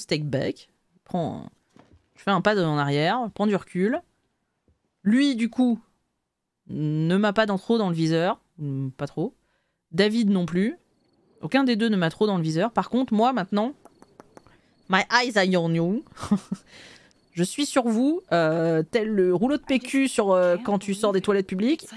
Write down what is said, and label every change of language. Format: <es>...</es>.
<fr>Je fais un pas en arrière, prends du recul. Lui, du coup, ne m'a pas trop dans le viseur. Pas trop. David non plus. Aucun des deux ne m'a trop dans le viseur. Par contre, moi, maintenant,</fr> <en>my eyes are on you.</en> <fr>Je suis sur vous, tel le rouleau de PQ quand tu sors des toilettes publiques.</fr>